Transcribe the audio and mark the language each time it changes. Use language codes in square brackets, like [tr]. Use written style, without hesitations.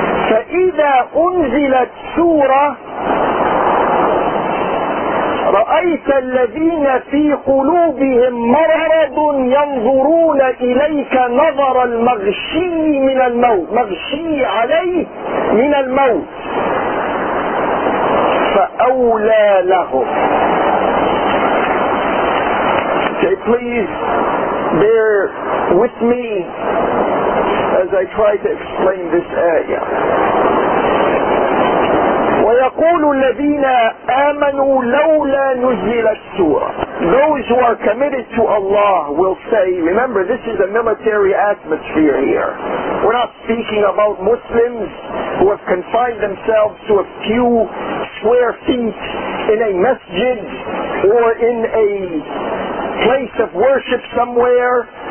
[ar] فإذا أنزلت سورة رأيت الذين في قلوبهم مرض ينظرون إليك نظر المغشي من الموت مغشي عليه من الموت فأولى لهم. [en] Okay, please bear with me as I try to explain this ayah. [ar] ويقول الذين آمنوا لولا نزلت سورة. [en] Those who are committed to Allah will say, remember, this is a military atmosphere here. We're not speaking about Muslims who have confined themselves to a few square feet in a masjid or in a place of worship somewhere.